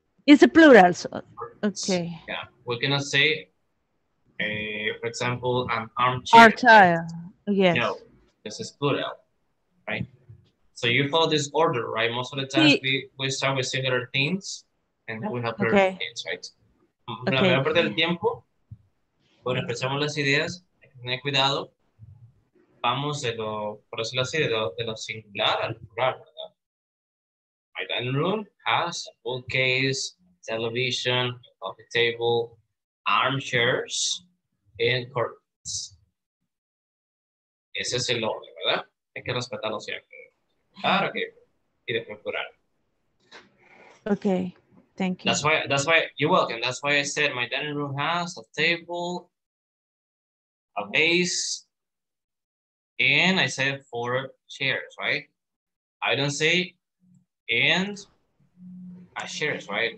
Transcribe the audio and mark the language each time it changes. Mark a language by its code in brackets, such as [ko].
[en] It's a plural. So, okay. Yeah. We cannot say, for example, an armchair. Armchair. Yes. No, this is plural, right? So you follow this order, right? Most of the time we start with singular things and we have plural things, right? [es] La mayor parte del tiempo, cuando empezamos las ideas, ten cuidado. Vamos de lo, por decirlo así, de lo singular al plural, ¿verdad? [en] My dining room has a bookcase, television, a coffee table, armchairs, and curtains. [es] Ese es el orden, ¿verdad? Hay que respetarlo siempre. Claro que. Y después plural. [en] Okay. Thank you. That's why you're welcome. That's why I said my dining room has a table, a base, and I said four chairs, right? I don't say and a chairs, right?